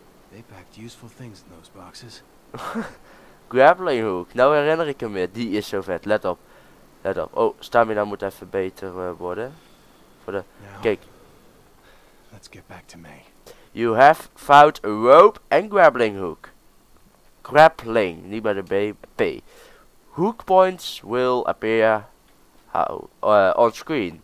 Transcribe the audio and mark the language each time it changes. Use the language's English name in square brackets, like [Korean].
[English] They packed useful things in those boxes. Grappling hook. [Dutch] Nou herinner ik hem weer. Die is zo vet. Let op. Let op. Oh, stamina moet even beter worden. Voor de. [English] Now, [Dutch] kijk. [English] Let's get back to me. You have found a rope and grappling hook. Grappling. [Dutch] Niet bij de B. P. [English] Hook points will appear on screen.